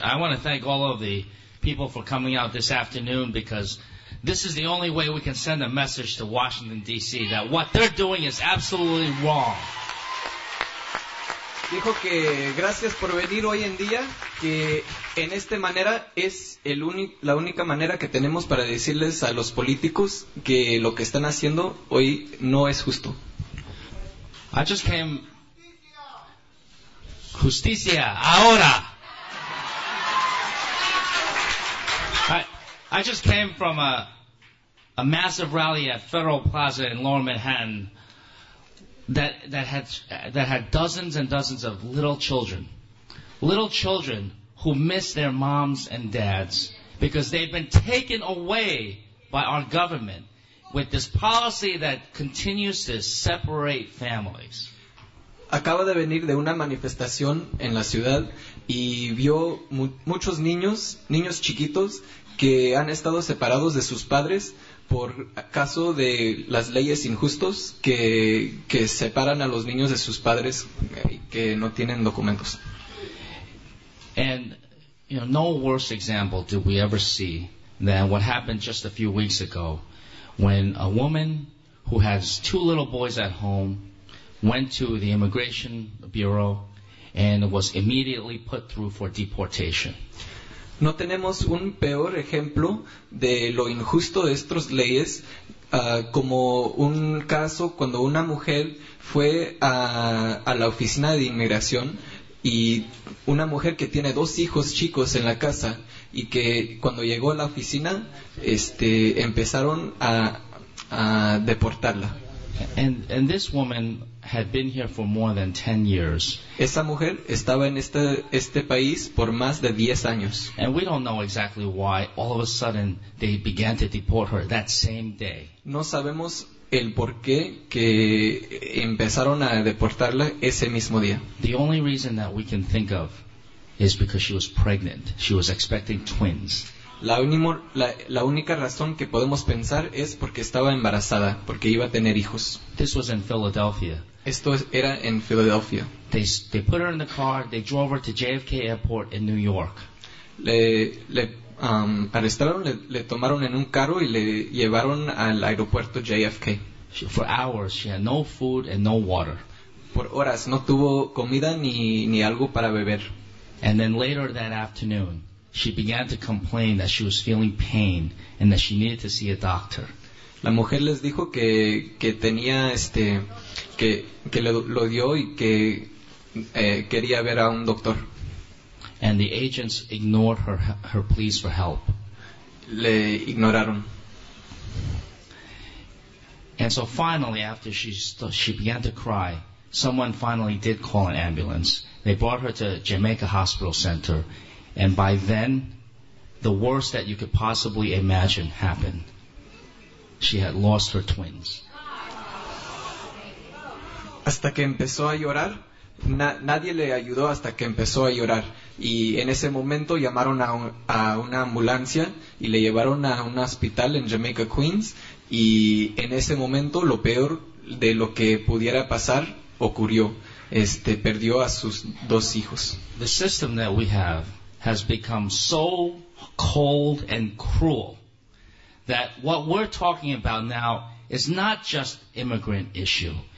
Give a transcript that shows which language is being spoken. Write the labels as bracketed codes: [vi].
[en] I want to thank all of the people for coming out this afternoon because this is the only way we can send a message to Washington, D.C. that what they're doing is absolutely wrong. [es] Dijo que gracias por venir hoy en día, que en esta manera es la única manera que tenemos para decirles a los políticos que lo que están haciendo hoy no es justo. [en] I just came... [es] Justicia, ahora! [en] I just came from a massive rally at Federal Plaza in Lower Manhattan that had dozens and dozens of little children who miss their moms and dads because they've been taken away by our government with this policy that continues to separate families. [es] Acaba de venir de una manifestación en la ciudad y vio muchos niños chiquitos que han estado separados de sus padres por caso de las leyes injustas que separan a los niños de sus padres que no tienen documentos. [en] And you know, no worse example did we ever see than what happened just a few weeks ago when a woman who has two little boys at home, went to the Immigration Bureau and was immediately put through for deportation. [es] No tenemos un peor ejemplo de lo injusto de estas leyes como un caso cuando una mujer fue a la oficina de inmigración y una mujer que tiene dos hijos chicos en la casa y que cuando llegó a la oficina empezaron a deportarla. [en] And this woman had been here for more than 10 years. [es] Esa mujer estaba en este país por más de 10 años. [en] And we don't know exactly why all of a sudden they began to deport her that same day. [es] No sabemos el por qué que empezaron a deportarla ese mismo día. [en] The only reason that we can think of is because she was pregnant. She was expecting twins. [es] La única razón que podemos pensar es porque estaba embarazada, porque iba a tener hijos. [en] This was in Philadelphia. [es] Esto era en Filadelfia. [en] They put her in the car, they drove her to JFK Airport in New York. [es] Le arrestaron, le tomaron en un carro y le llevaron al aeropuerto JFK. [en] For hours, she had no food and no water. [es] Por horas, no tuvo comida ni algo para beber. [en] And then later that afternoon, she began to complain that she was feeling pain and that she needed to see a doctor. [es] La mujer les dijo que tenía que lo dio y que quería ver a un doctor. [en] And the agents ignored her pleas for help. [es] Le ignoraron. [en] And so finally, after she began to cry, someone finally did call an ambulance. They brought her to Jamaica Hospital Center. And by then, the worst that you could possibly imagine happened. She had lost her twins. [es] Hasta que empezó a llorar, nadie le ayudó hasta que empezó a llorar. Y en ese momento llamaron a una ambulancia y le llevaron a un hospital en Jamaica, Queens. Y en ese momento, lo peor de lo que pudiera pasar ocurrió. Perdió a sus dos hijos. [en] The system that we have has become so cold and cruel that what we're talking about now is not just immigrant issue.